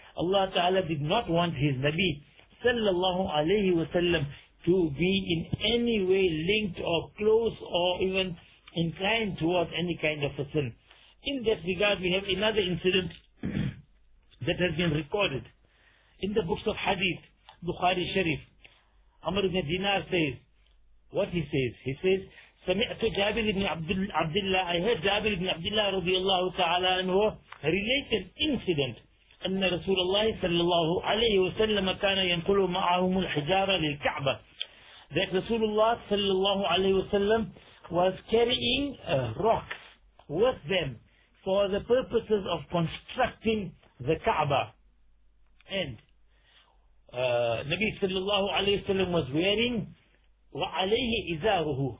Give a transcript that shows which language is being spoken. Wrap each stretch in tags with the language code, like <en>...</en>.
<en>Allah ta'ala did not want his Nabi sallallahu alayhi wa sallam to be in any way linked or close or even inclined towards any kind of a sin. In that regard, we have another incident that has been recorded in the books of Hadith, Bukhari Sharif. Amr ibn Dinar says, what he says? He says,</en> <ar>سَمِعْتُ جَابِرِ ibn عَبْدِ اللَّهِ.</ar> <en>I heard Jabir ibn Abdullah رضي الله تعالى عنه relate an incident.</en> <ar>أن رسول الله صلى الله عليه وسلم كان ينقل معهم الحجارة للكعبة.</ar> <en>That Rasulullah صلى الله عليه وسلم was carrying rocks with them for the purposes of constructing the Kaaba. And Nabi sallallahu alayhi wa sallam was wearing</en> <ar>وَعَلَيْهِ إِزَارُهُ.</ar>